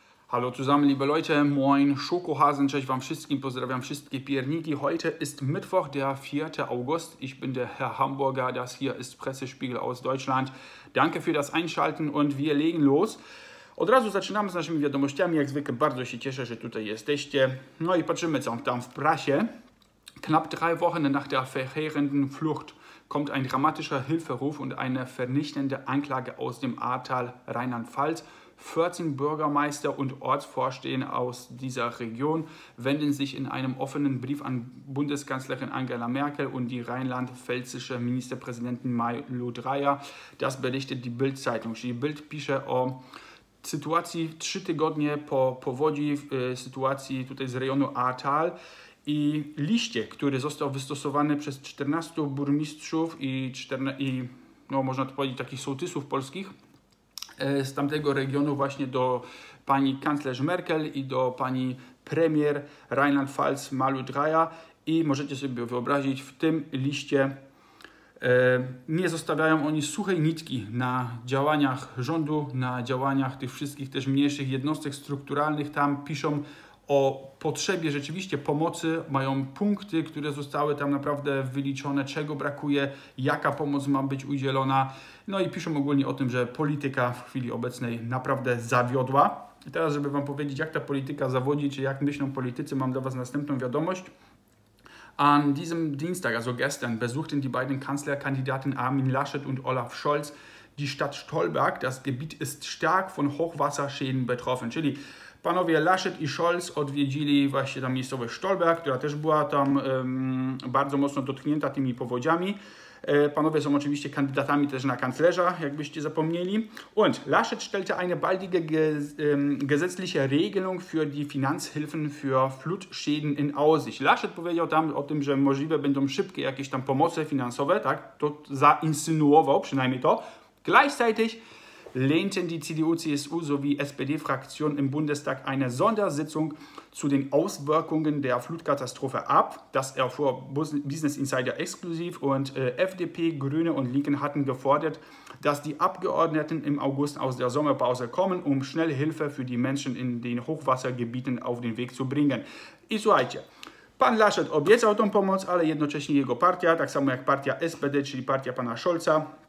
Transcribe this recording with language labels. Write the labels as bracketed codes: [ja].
[de] Hallo zusammen, liebe Leute, moin, Schokohasen, [pl] cześć wam wszystkim, pozdrawiam wszystkie pierniki. [de] Heute ist Mittwoch, der 4. August. Ich bin der Herr Hamburger, das hier ist Pressespiegel aus Deutschland. Danke für das Einschalten und wir legen los. [pl] Od razu zaczynamy z naszymi wiadomościami. Jak zwykle bardzo się cieszę, że tutaj jesteście. No i patrzymy, co tam w prasie. [de] Knapp drei Wochen nach der verheerenden Flucht kommt ein dramatischer Hilferuf und eine vernichtende Anklage aus dem Ahrtal Rheinland-Pfalz. 14 Bürgermeister und Ortsvorsteher aus dieser Region wenden sich in einem offenen Brief an Bundeskanzlerin Angela Merkel und die rheinland-pfälzische Ministerpräsidentin Malu Dreyer. Das berichtet die Bild-Zeitung. [pl] Die Bild pisze o sytuacji trzy tygodnie po powodzi, sytuacji tutaj z rejonu Ahrtal. I liście, który został wystosowany przez 14 burmistrzów i można to powiedzieć, takich sołtysów polskich z tamtego regionu właśnie do pani kanclerz Merkel i do pani premier Rheinland-Pfalz Malu Dreyer. I możecie sobie wyobrazić, w tym liście nie zostawiają oni suchej nitki na działaniach rządu, na działaniach tych wszystkich też mniejszych jednostek strukturalnych. Tam piszą o potrzebie rzeczywiście pomocy, mają punkty, które zostały tam naprawdę wyliczone, czego brakuje, jaka pomoc ma być udzielona. No i piszą ogólnie o tym, że polityka w chwili obecnej naprawdę zawiodła. I teraz, żeby wam powiedzieć, jak ta polityka zawodzi, czy jak myślą politycy, mam dla was następną wiadomość. [de] An diesem Dienstag, also gestern, besuchten die beiden Kanzlerkandidaten Armin Laschet und Olaf Scholz die Stadt Stolberg. Das Gebiet ist stark von Hochwasserschäden betroffen. [pl] Czyli panowie Laschet i Scholz odwiedzili właśnie tam miejscowość Stolberg, która też była tam bardzo mocno dotknięta tymi powodziami. Panowie są oczywiście kandydatami też na kanclerza, jakbyście zapomnieli. [de] Und Laschet stellte eine baldige gesetzliche Regelung für die Finanzhilfen für Flutschäden in Aussicht. [pl] Laschet powiedział tam o tym, że możliwe będą szybkie jakieś tam pomoce finansowe, tak? To zainsynuował przynajmniej to. [de] Gleichzeitig lehnten die CDU-CSU sowie SPD-Fraktion im Bundestag eine Sondersitzung zu den Auswirkungen der Flutkatastrophe ab. Das erfuhr Business Insider exklusiv und FDP, Grüne und Linken hatten gefordert, dass die Abgeordneten im August aus der Sommerpause kommen, um schnell Hilfe für die Menschen in den Hochwassergebieten auf den Weg zu bringen. [pl] I słuchajcie, pan Laschet obiecał tą pomoc, ale jednocześnie jego partia, tak samo jak partia SPD, czyli partia pana Scholza,